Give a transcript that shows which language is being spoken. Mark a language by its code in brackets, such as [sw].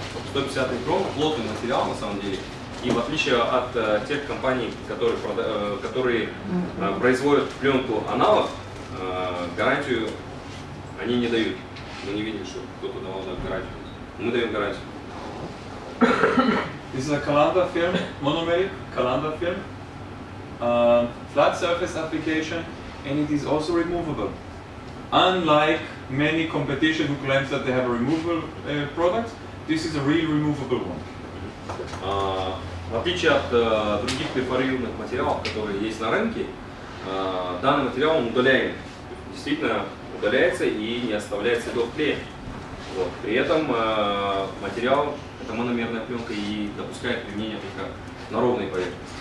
[ru] 150 микрон, плотный материал на самом деле. И в отличие от тех компаний, которые производят пленку аналог, гарантию они не дают. Мы не видим, что кто-то давал гарантию. Мы даем гарантию. [en] This is a Calander film, monomeric Calander film, flat surface application, and it is also removable. Unlike many competition who claims that they have a removable product, this is a really removable one. [ru] В отличие от других перфорированных материалов, которые есть на рынке, данный материал он удаляем. Действительно удаляется и не оставляет следов клея. Вот. При этом материал, это мономерная пленка, и допускает применение только на ровной поверхности.